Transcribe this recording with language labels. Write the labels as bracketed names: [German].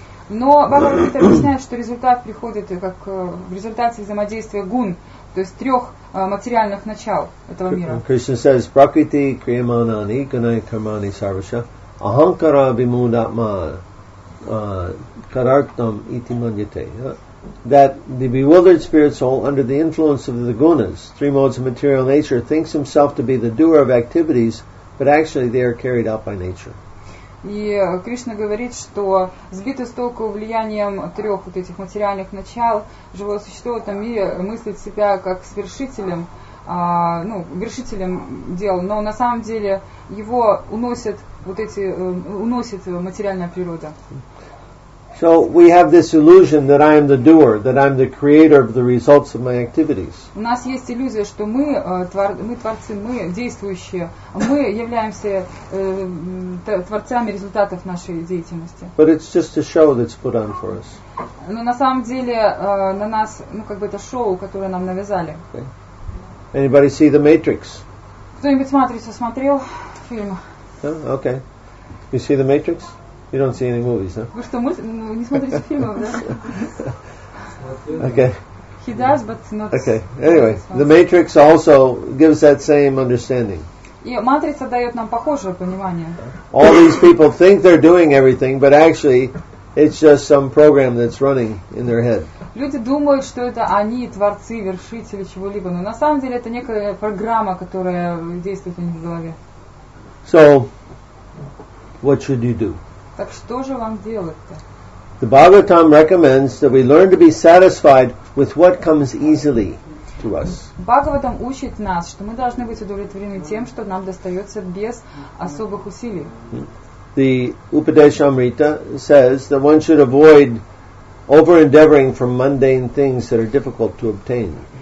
[Russian] Но Бхагавад Гита объясняет, что результат приходит как в результате взаимодействия гун, то есть трех материальных начал этого мира. [English] Krishna says, [Sanskrit] prakriti kriyamanani gunai karmani sarvasya ahankara vimudatma karartam iti manyate. [English] That the bewildered spirit soul, under the influence of the gunas, three modes of material nature, thinks himself to be the doer of activities, but actually they are carried out by nature. [Russian] И Кришна говорит, что сбитый с толку влиянием трех вот этих материальных начал, живое существо в этом мире мыслит себя как свершителем, ну, вершителем дел, но на самом деле его уносят вот эти, уносит материальная природа. [English] So we have this illusion that I am the doer, that I am the creator of the results of my activities. [Russian] У нас есть иллюзия, что мы творцы, мы действующие, мы являемся творцами результатов нашей деятельности. [English] But it's just a show that's put on for us. [Russian] Но на самом деле на нас, ну как бы это шоу, которое нам навязали. [English] Anybody see the Matrix? [Russian] Кто-нибудь Матрицу смотрел фильм? [English] Okay. You see the Matrix? You don't see any movies, huh? [Russian] Вы что, не смотрите фильмов, да? [English] Okay. He does, but not. Okay. Anyway, the Matrix also gives that same understanding. [Russian] И матрица дает нам похожее понимание. [English] All these people think they're doing everything, but actually, it's just some program that's running in their head. [Russian] Люди думают, что это они творцы, вершители чего-либо, но на самом деле это некая программа, которая действует у них в голове. [English] So, what should you do? [Russian] Так что же вам делать-то? [English] The Bhagavatam recommends that we learn to be satisfied with what comes easily to us. [Russian] Бхагаватам учит нас, что мы должны быть удовлетворены тем, что нам достается без особых усилий. [English] The Upadeshamrita says that one should avoid over-endeavoring for mundane things that are difficult to obtain.